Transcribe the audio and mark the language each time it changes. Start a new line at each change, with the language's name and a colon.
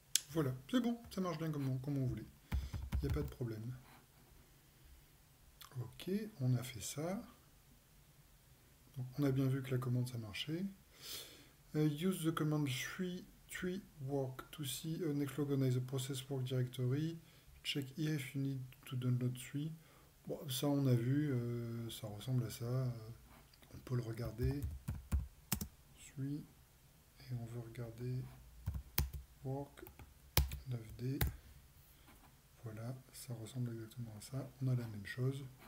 French: Voilà, c'est bon, ça marche bien comme on voulait. Il n'y a pas de problème. Ok, on a fait ça. Donc, on a bien vu que la commande ça marchait.
English: Use the command tree work to see Nexflow organize a process work directory. Check if you need to download tree.
French: Bon, ça on a vu, ça ressemble à ça. On peut le regarder. Tree. Et on veut regarder work 9D. Voilà, ça ressemble exactement à ça. On a la même chose.